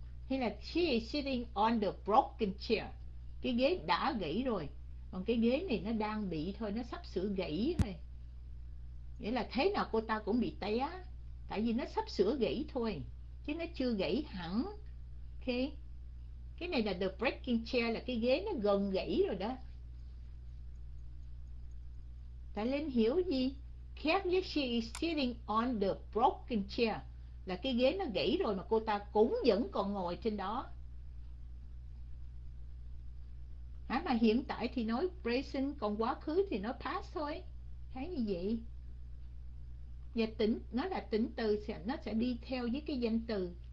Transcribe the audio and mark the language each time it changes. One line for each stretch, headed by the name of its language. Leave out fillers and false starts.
Vietnamese: Hay là
English: she is sitting on the broken chair.
Vietnamese: Cái ghế đã gãy rồi, còn cái ghế này nó đang bị thôi, nó sắp sửa gãy thôi. Nghĩa là thế nào cô ta cũng bị té, tại vì nó sắp sửa gãy thôi, chứ nó chưa gãy hẳn. Ok. Cái này là
English: the breaking chair,
Vietnamese: là cái ghế nó gần gãy rồi đó. Tại Linh hiểu gì?
English: Clearly she is sitting on the broken chair.
Vietnamese: Là cái ghế nó gãy rồi mà cô ta cũng vẫn còn ngồi trên đó. Mà hiện tại thì nói present, còn quá khứ thì nói past thôi. Thấy như vậy. Và tỉnh, nó là tỉnh từ, nó sẽ đi theo với cái danh từ.